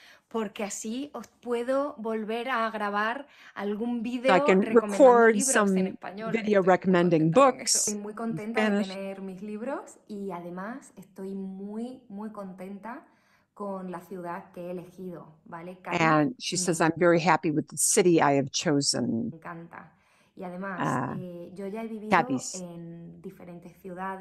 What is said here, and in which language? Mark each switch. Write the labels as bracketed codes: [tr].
[es] Porque así os puedo volver a grabar algún video, [en] so I can record some [es] en español. [en] Video recommending books. [es] Estoy muy contenta de tener mis libros y además estoy muy, muy contenta con la ciudad que he elegido, ¿vale? [en] And she says I'm very happy with the city I have chosen. [es] Me encanta. Y además, yo ya he vivido en diferentes ciudades.